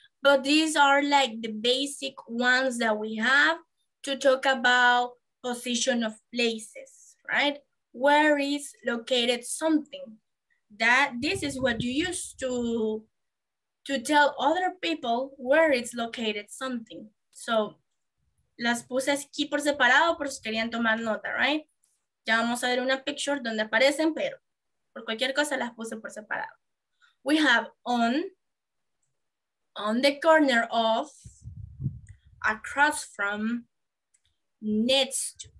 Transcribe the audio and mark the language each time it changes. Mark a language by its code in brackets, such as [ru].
[en] But these are like the basic ones that we have to talk about position of places, right? Where is located something? That this is what you use to tell other people where it's located something. [es] So, las puse aquí por separado por si querían tomar nota, right? Ya vamos a ver una picture donde aparecen, pero por cualquier cosa las puse por separado. [en] We have on the corner of, across from, next to.